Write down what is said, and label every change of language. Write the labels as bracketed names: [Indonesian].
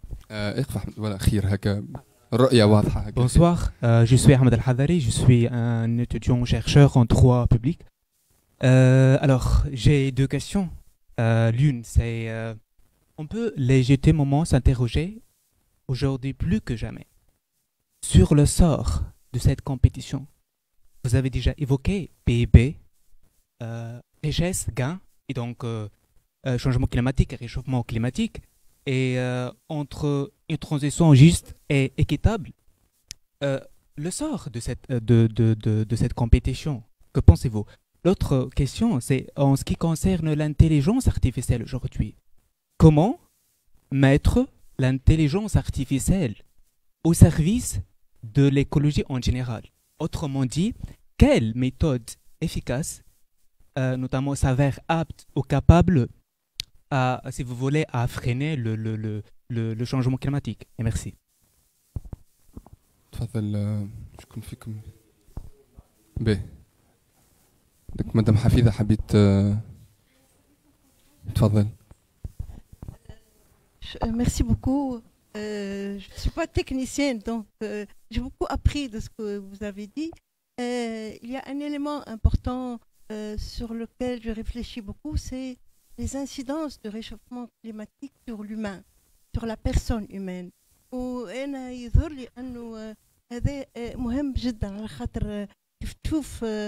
[Arabic] اقف ولا خير هكا الرؤيه واضحه هكا. [French] Bonsoir, je suis Ahmed Al-Hadari, je suis un étudiant chercheur en droit public. Alors j'ai deux questions. L'une c'est on peut légitimement s'interroger aujourd'hui plus que jamais sur le sort de cette compétition. Vous avez déjà évoqué PIB, richesse, gain, et donc changement climatique, réchauffement climatique, et entre une transition juste et équitable, le sort de cette compétition, que pensez-vous? L'autre question, c'est en ce qui concerne l'intelligence artificielle aujourd'hui, comment mettre l'intelligence artificielle au service de l'écologie en général. Autrement dit, quelle méthode efficace, notamment s'avère apte ou capable, à, si vous voulez, à freiner le changement climatique. Et merci. [Arabic] تفضل شكون فيكم ب دك مدام حفيظه حبيت تفضل [French] merci beaucoup je suis pas technicienne donc j'ai beaucoup appris de ce que vous avez dit il y a un élément important sur lequel je réfléchis beaucoup c'est les incidences du réchauffement climatique sur l'humain sur la personne humaine ou [Arabic] انا يظهر لي انه هذا مهم جدا على خاطر كيف تشوف